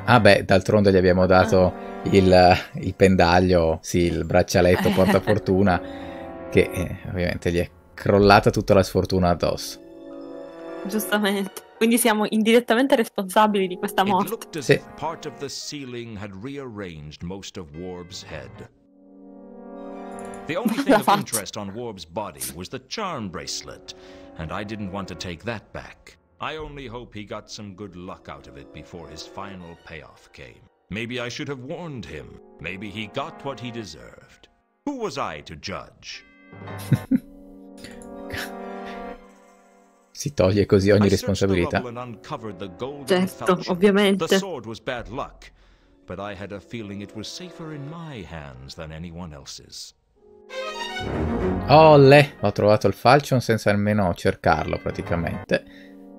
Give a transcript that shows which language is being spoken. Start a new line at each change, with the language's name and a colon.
Italian: Ah beh, d'altronde gli abbiamo dato il pendaglio, sì, il braccialetto portafortuna, che ovviamente gli è crollata tutta la sfortuna addosso. Giustamente, quindi siamo indirettamente responsabili di questa morte. Sì.
English: Part of the ceiling had rearranged most of Worb's head. The only thing of interest on Warb's body was the charm bracelet, and I didn't want to take that back. I only hope he got some good luck out of it before his final payoff came. Maybe I should have warned him. Maybe he got what he deserved. Who was I to judge?
Italian: Si toglie così ogni responsabilità. Certo, ovviamente.
English: The sword was bad luck, but I had a feeling it was safer in my hands than anyone else's.
Italian: Olè, ho trovato il falchion senza nemmeno cercarlo praticamente.